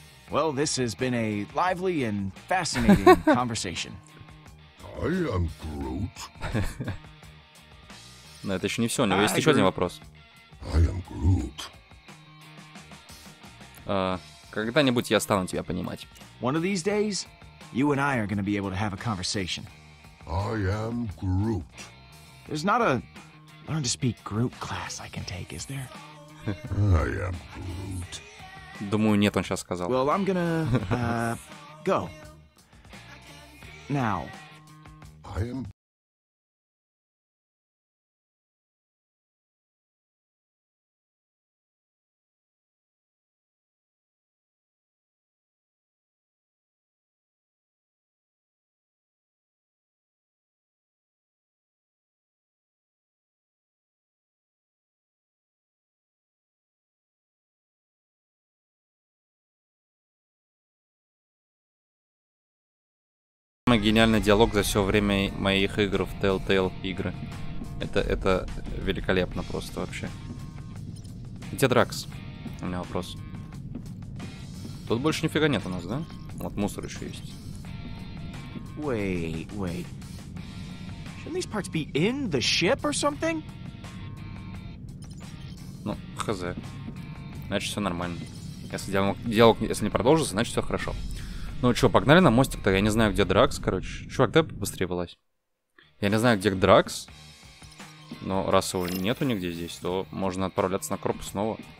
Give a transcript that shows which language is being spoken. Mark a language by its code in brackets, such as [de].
[en] Well, this has been a lively and fascinating conversation. I am Groot. [ru] Но это еще не все, у него есть еще один вопрос. [en] I am Groot. [ru] Когда-нибудь я стану тебя понимать. [en] One of these days, you and I are going to be able to have a conversation. I am Groot. There's not a learn to speak Groot class I can take, is there? I am Groot. [ru] Думаю, нет, он сейчас сказал. [en] Well, I'm gonna, go. Now. I am... [ru] Самый гениальный диалог за все время моих игр в Telltale игры. Это великолепно просто вообще. Где Дракс? У меня вопрос. Тут больше нифига нет у нас, да? Вот мусор еще есть. [en] Wait. Shouldn't these parts be in the ship or something? [ru] Ну, хз. Значит, все нормально. Если диалог если не продолжится, значит все хорошо. Ну чё, погнали на мостик-то, я не знаю, где Дракс, короче. Чувак, дай быстрее вылазь. Я не знаю, где Дракс, но раз его нету нигде здесь, то можно отправляться на корпус снова.